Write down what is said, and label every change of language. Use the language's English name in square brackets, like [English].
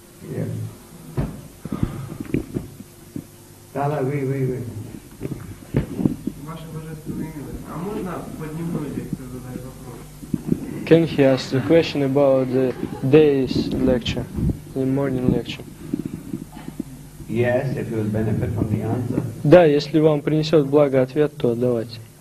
[English] Yeah. [Russian] Да, вы. Ваше божественное имя. А можно поднимную лекцию задать вопрос? [English] Can he ask the question about the day's lecture, the morning lecture? Yes, if you would benefit from the answer. [Russian] Да, если вам принесет благо ответ, то давайте.